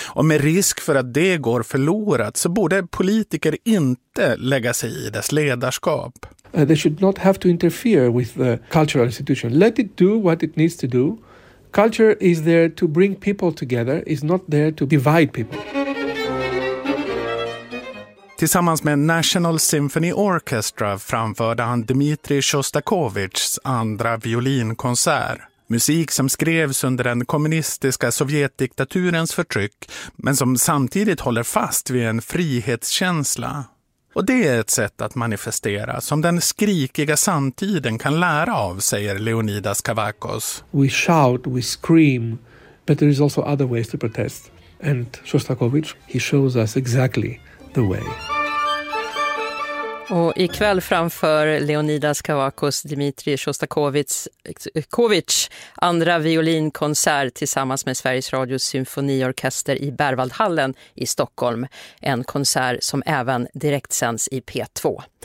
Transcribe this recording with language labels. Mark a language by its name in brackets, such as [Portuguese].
[Swedish] Och med risk för att det går förlorat så borde politiker inte lägga sig i dess ledarskap. [English] They should not have to interfere with the cultural institution. Let it do what it needs to do. Culture is there to bring people together, is not there to divide people. [Swedish] Tillsammans med National Symphony Orchestra framförde han Dmitri Shostakovichs andra violinkonsert. Musik som skrevs under den kommunistiska sovjetdiktaturens förtryck, men som samtidigt håller fast vid en frihetskänsla. Och det är ett sätt att manifestera som den skrikiga samtiden kan lära av, säger Leonidas Kavakos. [English] We shout, we scream, but there is also other ways to protest. And Shostakovich, he shows us exactly the way. [Swedish] Och ikväll framför Leonidas Kavakos Dmitri Shostakovichs andra violinkonsert tillsammans med Sveriges Radios symfoniorkester i Berwaldhallen i Stockholm. En konsert som även direktsänds i P2.